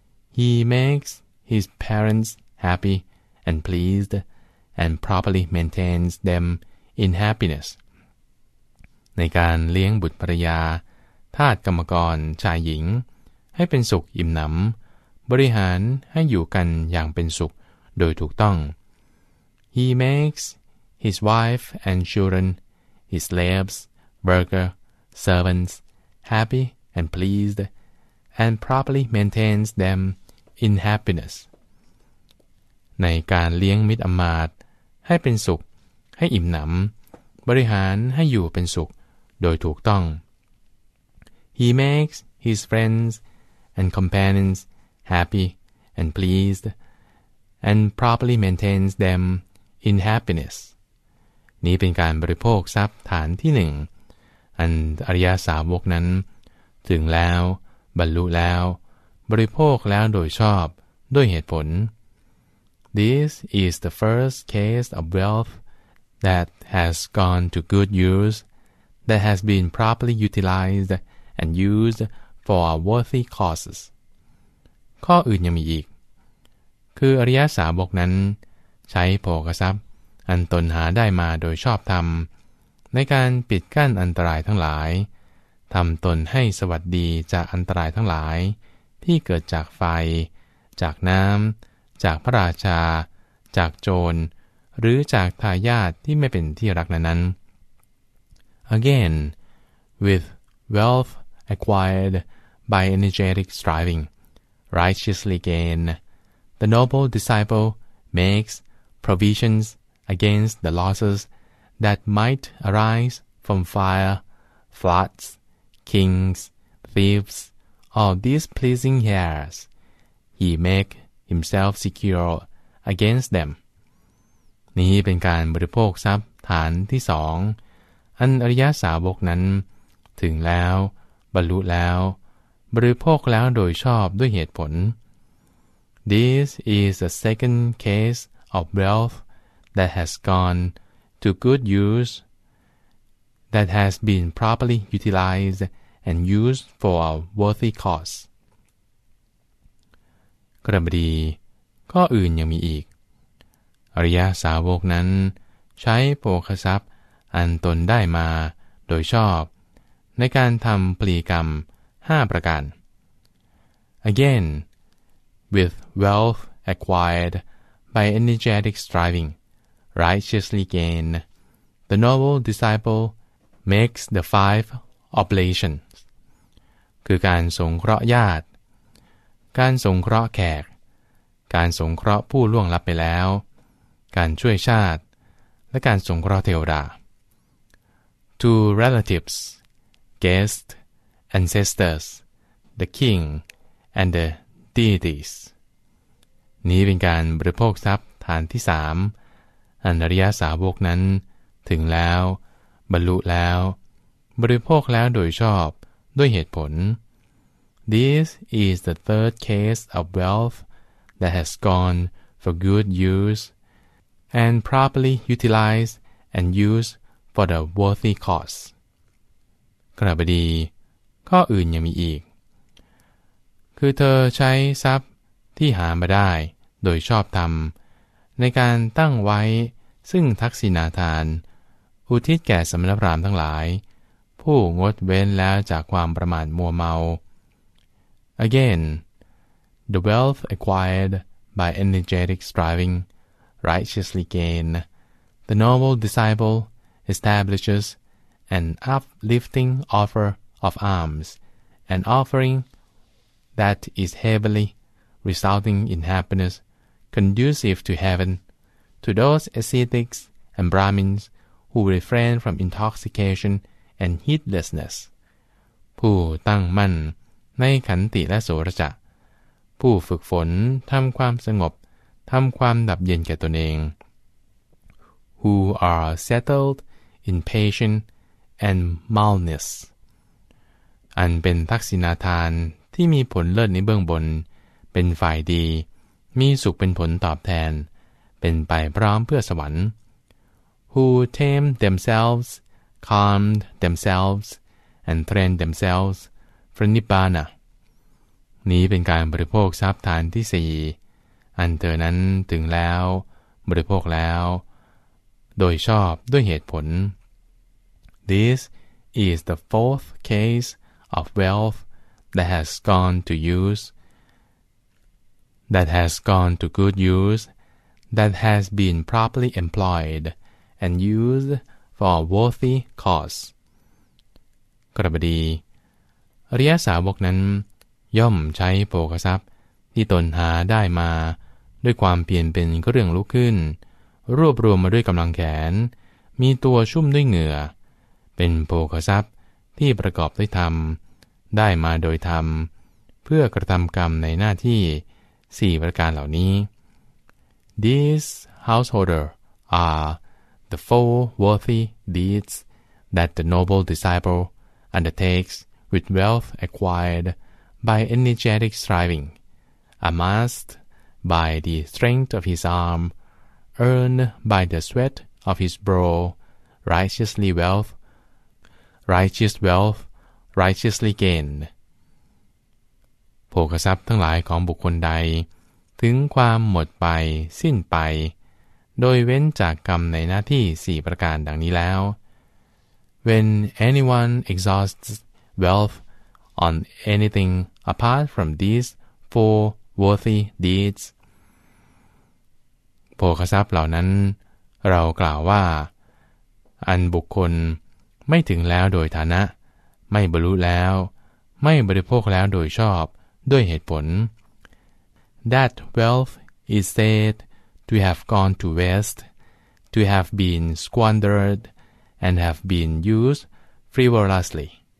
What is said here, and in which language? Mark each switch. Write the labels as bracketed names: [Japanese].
[English] He makes his parents happy and pleased and properly maintains them in happiness. [Thai] ในการเลี้ยงบุตรภรรยาทาสกรรมกรชายหญิงให้เป็นสุขอิ่มหนำบริหารให้อยู่กันอย่างเป็นสุขโดยถูกต้อง [English] He makes his wife and children, his slaves, worker,servants happy and pleased and properly maintains them in happiness [Thai] ในการเลี้ยงมิตรอมาตย์ให้เป็นสุขให้อิ่มหนำบริหารให้อยู่เป็นสุขโดยถูกต้อง [English] He makes his friends and companions happy and pleased and properly maintains them in happiness [Thai] นี้เป็นการบริโภคทรัพย์ฐานที่หนึ่งอันอริยสาวกนั้นถึงแล้วบรรลุแล้วบริโภคแล้วโดยชอบด้วยเหตุผล [English] This is the first case of wealth that has gone to good use, that has been properly utilized and used for worthy causes. [Thai] ข้ออื่นยังมีอีกคืออริยสาวกนั้นใช้โภคทรัพย์อันตนหาได้มาโดยชอบธรรมในการปิดกั้นอันตรายทั้งหลายทำตนให้สวัสดีจากอันตรายทั้งหลายที่เกิดจากไฟจากน้ำจากพระราชาจากโจร หรือจากทายาทที่ไม่เป็นที่รักนั้น [English] Again, with wealth acquired by energetic striving, righteously gained, the noble disciple makes provisions against the losses that might arise from fire, floods, kings, thieves, or displeasing heirs. He make himself secure against them. [Thai] นี่เป็นการบริโภคทรัพย์ฐานที่สองอันอริยสาวกนั้นถึงแล้วบรรลุแล้วบริโภคแล้วโดยชอบด้วยเหตุผล [English] This is the second case of wealth that has gone to good use, that has been properly utilized and used for a worthy cause. [Thai] กรรมดีก็อื่นยังมีอีกอริยสาวกนั้นใช้โภคทรัพย์อันตนได้มาโดยชอบในการทำปลีกรรม5ประการ [English] Again, with wealth acquired by energetic striving, righteously gained, the noble disciple makes the five oblations. [Thai] คือการสงเคราะห์ญาติการสงเคราะห์แขกการสงเคราะห์ผู้ล่วงลับไปแล้วการช่วยชาติและการสงเคราะห์เทวดา [English] To relatives, guests, ancestors, the king, and the deities. [Thai] นี้เป็นการบริโภคทรัพย์ฐานที่สามอันอริยสาวกนั้นถึงแล้วบรรลุแล้วบริโภคแล้วโดยชอบด้วยเหตุผล [English] This is the third case of wealth that has gone for good use. And properly utilize and use for the worthy cause. [Thai] กรรมดีข้ออื่นยังมีอีกคือเธอใช้ทรัพย์ที่หามาได้โดยชอบธรรมในการตั้งไว้ซึ่งทักษิณาทานอุทิศแก่สมณพราหมณ์ทั้งหลายผู้งดเว้นแล้วจากความประมาทมัวเมา [English] Again, the wealth acquired by energetic strivingrighteously gain, the noble disciple establishes an uplifting offer of alms, an offering that is heavenly, resulting in happiness, conducive to heaven, to those ascetics and Brahmins who refrain from intoxication and heedlessness. [Thai] ผู้ตั้งมั่นในขันติและโสรจะผู้ฝึกฝนทำความสงบทำความดับเย็นแก่ตนเอง [English] Who are settled in patience and mildness [Thai] อันเป็นทักษิณาทานที่มีผลเลิศในเบื้องบนเป็นฝ่ายดีมีสุขเป็นผลตอบแทนเป็นไปพร้อมเพื่อสวรรค์ [English] Who tame themselves, calm themselves, and train themselves for Nibbana [Thai] นี้เป็นการบริโภคทรัพย์ทานที่สี่อันเธอนั้นถึงแล้วบริโภคแล้วโดยชอบด้วยเหตุผล [English] This is the fourth case of wealth that has gone to use, that has gone to good use, that has been properly employed and used for a worthy cause. [Thai] กรรมดีอริยสาวกนั้นย่อมใช้โภคทรัพย์ที่ตนหาได้มาด้วยความเปลี่ยนเป็นเครื่องลุกขึ้นรวบรวมมาด้วยกำลังแขนมีตัวชุ่มด้วยเหงื่อเป็นโภคทรัพย์ที่ประกอบด้วยธรรมได้มาโดยธรรมเพื่อกระทำกรรมในหน้าที่4ประการเหล่านี้ [English] These householder are the four worthy deeds that the noble disciple undertakes with wealth acquired by energetic striving amassedby the strength of his arm, earned by the sweat of his brow, righteously gained. [Thai] โภคทรัพย์ทั้งหลายของบุคคลใดถึงความหมดไปสิ้นไปโดยเว้นจากกรรมในหน้าที่4ประการดังนี้แล้ว [English] When anyone exhausts wealth on anything apart from these four worthy deeds, [Thai] โภคทรัพย์เหล่านั้น เรากล่าวว่าอันบุคคลไม่ถึงแล้วโดยฐานะไม่บรรลุแล้วไม่บริโภคแล้วโดยชอบด้วยเหตุผล [English] That wealth is said to have gone to waste, to have been squandered, and have been used frivolously.